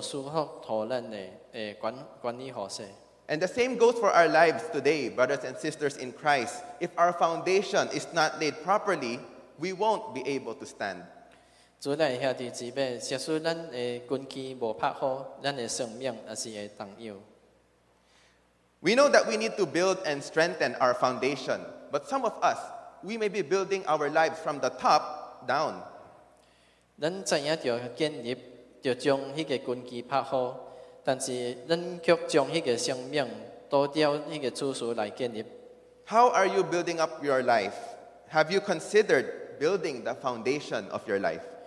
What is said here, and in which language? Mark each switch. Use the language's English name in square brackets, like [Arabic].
[Min Nan Chinese] 有一块人真努力地去实现跩，却无注意到因属灵上甲迄个肉体上的健康。那按你做，咱就是无将上帝所赐福托咱的管理好势。 [English] And the same goes for our lives today, brothers and sisters in Christ. If our foundation is not laid properly, we won't be able to stand. [Min Nan Chinese] 主内兄弟姊妹，假使咱的根基无拍好，咱的生命也是会动摇。 [English] We know that we need to build and strengthen our foundation, but some of us, we may be building our lives from the top down. [Min Nan Chinese] 咱知影要建立，要将迄个根基拍好。但是，咱却将迄个生命都调迄个处所来建立。 [English] How are you building up your life? Have you considered building the foundation of your life?